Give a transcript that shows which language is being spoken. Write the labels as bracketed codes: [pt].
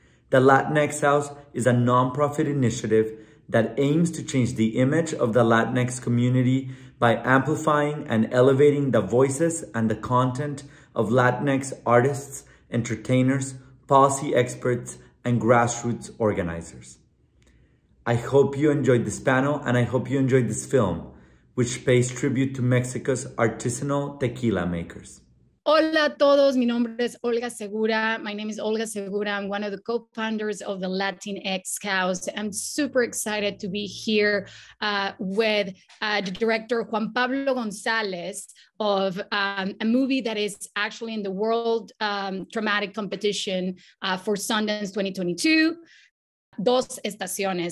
[en] The Latinx House is a nonprofit initiative that aims to change the image of the Latinx community by amplifying and elevating the voices and the content of Latinx artists, entertainers, policy experts, and grassroots organizers. I hope you enjoyed this panel, and I hope you enjoyed this film, which pays tribute to Mexico's artisanal tequila makers. [es] Hola a todos, mi nombre es Olga Segura. [en] My name is Olga Segura. I'm one of the co-founders of the Latinx House. I'm super excited to be here with the director Juan Pablo González of a movie that is actually in the World Dramatic Competition for Sundance 2022, Dos Estaciones.